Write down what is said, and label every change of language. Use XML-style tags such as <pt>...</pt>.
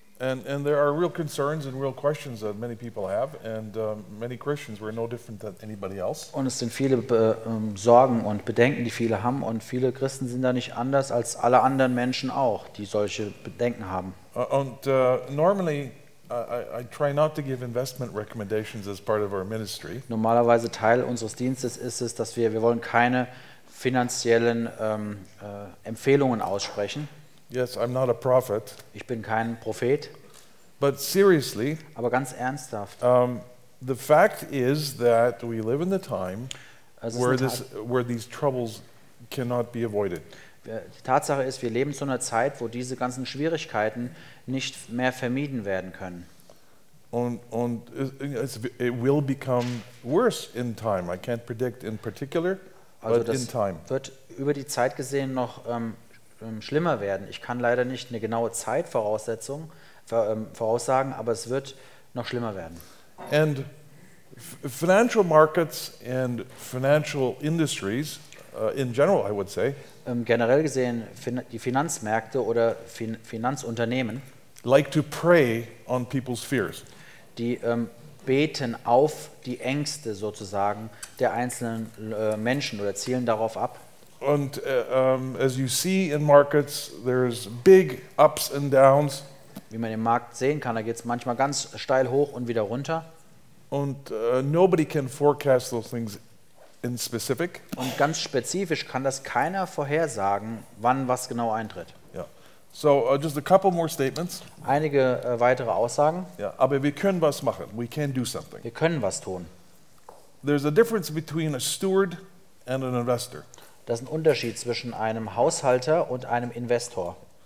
<en>And there are real concerns and real questions that many people have, and many Christians were no different than anybody else.</en> <de>Und es sind viele Sorgen und Bedenken, die viele haben, und viele Christen sind da nicht anders als alle anderen Menschen auch, die solche Bedenken haben.</de> <en>Normally, I try not to give investment recommendations as part of our ministry.</en> <de>Normalerweise Teil unseres Dienstes ist es, dass wir wollen keine finanziellen Empfehlungen aussprechen.</de> <en>Yes, I'm not a prophet.</en> <de>Ich bin kein Prophet.</de> <en>But seriously,</en> <de>aber ganz ernsthaft.</de> <en>The fact is that we live in the time where these troubles cannot be avoided.</en> <de>Die Tatsache ist, wir leben zu einer Zeit, wo diese ganzen Schwierigkeiten nicht mehr vermieden werden können.</de> <en>Und it will become worse in time. I can't predict in particular,</en> <de>also</de> <en>but in time.</en> <de>Also das wird über die Zeit gesehen noch schlimmer werden. Ich kann leider nicht eine genaue Zeitvoraussetzung voraussagen, aber es wird noch schlimmer werden.</de> <en>And financial markets and financial industries in general, I would say.</en> <de>Generell gesehen, die Finanzmärkte oder Finanzunternehmen,</de> <en>like to prey on people's fears.</en> <de>Die beten auf die Ängste sozusagen der einzelnen Menschen oder zielen darauf ab.</de> <en>Und as you see in markets, there's big ups and downs.</en> <de>Wie man im Markt sehen kann, da geht es manchmal ganz steil hoch und wieder runter.</de> <en>Und nobody can forecast those things. In specific.</en> <de>Und ganz spezifisch kann das keiner vorhersagen, wann was genau eintritt.</de> <en>Yeah. So, just a couple more statements.</en> <de>Einige weitere Aussagen. Yeah. Aber wir können was machen.</de> <en>We can do something.</en> <de>Wir können was tun.</de> <en>There's a difference between a steward and an investor.</en> <de>Das ist ein Unterschied zwischen einem Haushalter und einem Investor.</de>